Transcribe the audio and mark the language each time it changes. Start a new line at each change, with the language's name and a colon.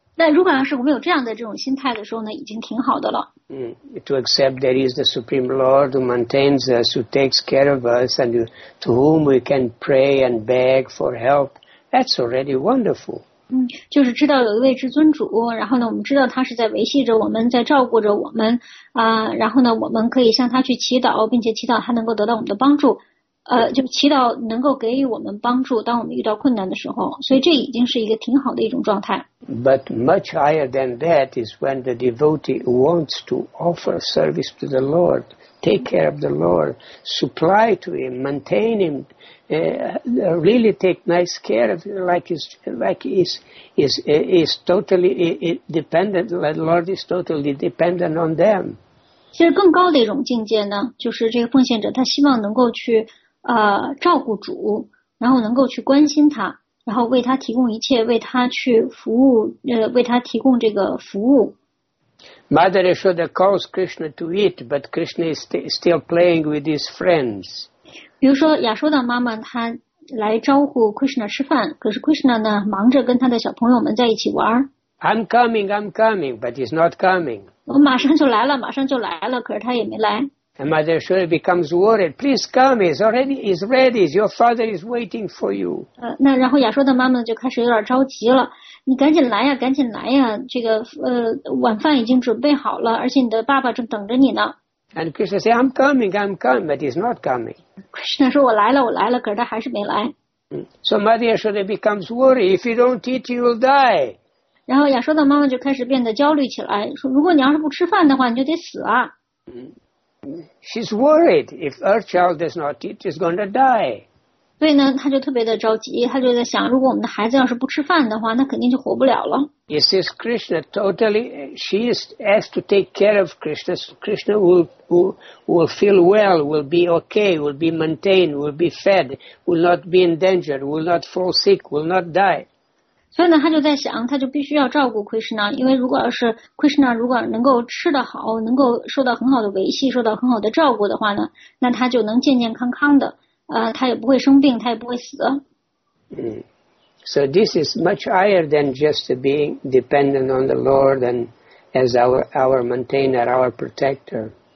Chinese: 那如果要是我们有这样的这种心态的时候呢，已经挺好的了。
English: To accept there is the Supreme Lord who maintains us, who takes care of us, and to whom we can pray and beg for help, that's already wonderful.
Chinese: 就是知道有一位至尊主，然后呢，我们知道他是在维系着我们，在照顾着我们啊，然后呢，我们可以向他去祈祷，并且祈祷他能够得到我们的帮助，就祈祷能够给予我们帮助，当我们遇到困难的时候，所以这已经是一个挺好的一种状态。
English: But much higher than that is when the devotee wants to offer service to the Lord, take care of the Lord, supply to Him, maintain Him, really take nice care of Him, like is totally dependent. The Lord is totally dependent on them.
Chinese: 其实更高的一种境界呢，就是这个奉献者他希望能够去照顾主，然后能够去关心他。然后为他提供一切，为他去服务，为他提供这个服务。
English: Mother Yashoda calls Krishna to eat, but Krishna is still playing with his friends.
Chinese: 比如说亚修达妈妈她来招呼 Krishna 吃饭，可是 Krishna 呢忙着跟他的小朋友们在一起玩。
English: I'm coming, but he's not coming.
Chinese: 我马上就来了，马上就来了，可是他也没来。
English: And Mother Yashoda becomes worried. Please come. He's ready. Your father is waiting for you.
Chinese: 那然后亚修达妈妈就开始有点着急了。你赶紧来呀，赶紧来呀！这个晚饭已经准备好了，而且你的爸爸正等着你呢。
English: And Krishna says, "I'm coming," but he's not coming.
Chinese: Krishna 说我来了，可是他还是没来。
English: So Mother Yashoda becomes worried. If you don't eat, you'll die.
Chinese: 然后亚修达妈妈就开始变得焦虑起来，说如果你要是不吃饭的话，你就得死啊。
English: She's worried if her child does not eat, she's going to die.
Chinese: 所以呢，他就特别的着急，他就在想，如果我们的孩子要是不吃饭的话，那肯定就活不了了。
English: He says Krishna totally. She is asked to take care of Krishna. Krishna will feel well, will be okay, will be maintained, will be fed, will not be in danger, will not fall sick, will not die.
Chinese: 所以呢，他就在想，他就必须要照顾 Krishna， 因为如果要是 Krishna 如果能够吃得好，能够受到很好的维系，受到很好的照顾的话呢，那他就能健健康康的，他也不会生病，他也不会死。
English: So this is much higher than just being dependent on the Lord and as our maintainer, our protector.